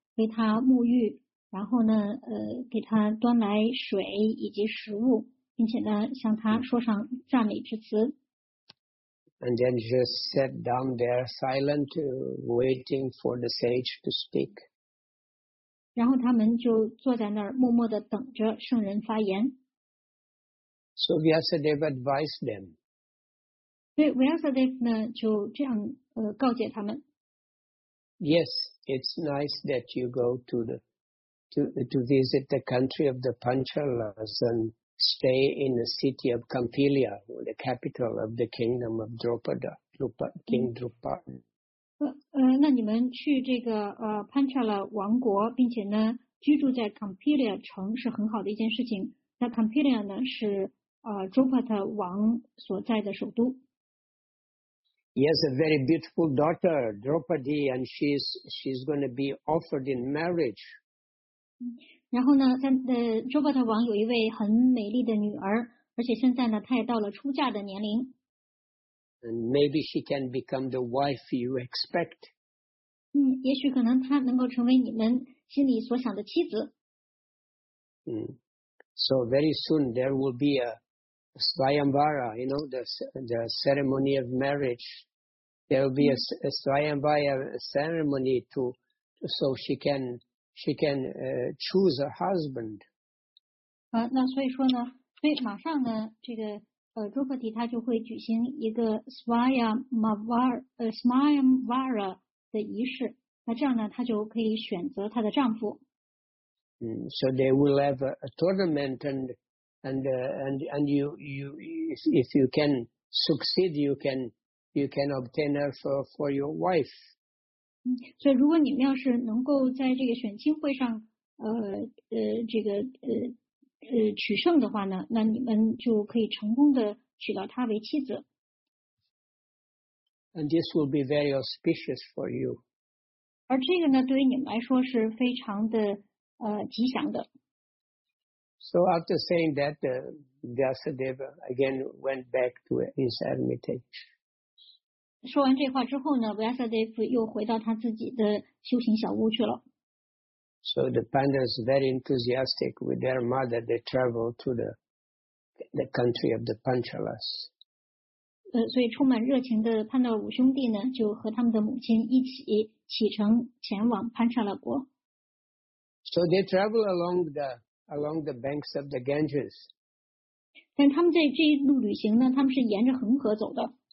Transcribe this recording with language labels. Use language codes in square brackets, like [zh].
[zh] 为他沐浴，然后呢，给他端来水以及食物，并且呢，向他说上赞美之词。 [en] And then just sat down there, silent, waiting for the sage to speak. [zh] 然后他们就坐在那儿，默默的等着圣人发言。 [en] So Vyasadeva advised them. [zh] 对 ，Vyasadeva 呢就这样告诫他们。 [en] Yes, it's nice that you go to visit the country of the Panchalas and stay in the city of Kampila, the capital of the kingdom of Drupada, King Drupada. [zh] 那你们去这个Panchala 王国，并且呢居住在 Kampila 城是很好的一件事情。那 Kampila 呢是Drupada 王所在的首都。 [en] He has a very beautiful daughter, Draupadi, and she's going to be offered in marriage. [zh] 然后呢，周伯特王有一位很美丽的女儿，而且现在呢，她也到了出嫁的年龄。 [en] And maybe she can become the wife you expect. [zh] 也许可能她能够成为你们心里所想的妻子。 [en] So very soon there will be a Svayamvara, you know, the ceremony of marriage. There will be a Svayamvara ceremony so she can choose a husband. [zh] 那所以说呢，所以马上呢，这个朱克迪他就会举行一个 Svayamvara 的仪式。那这样呢，他就可以选择他的丈夫。 [en] So they will have a tournament and if you can succeed, you can obtain her for your wife. [zh] 所以如果你们要是能够在这个选亲会上取胜的话呢，那你们就可以成功的娶到她为妻子。 [en] And this will be very auspicious for you. [zh] 而这个呢，对于你们来说是非常的吉祥的。 [en] So after saying that, Vyasadeva again went back to his hermitage. [zh] 说完这话之后呢 ，Vyasadeva 又回到他自己的修行小屋去了。 [en] So the Pandavas very enthusiastic with their mother, they travel to the country of the Panchalas. [zh] 所以充满热情的潘达五兄弟呢，就和他们的母亲一起启程前往潘沙拉国。 [en] So they travel along the banks of the Ganges. [zh] 但他们在这一路旅行呢，他们是沿着恒河走的。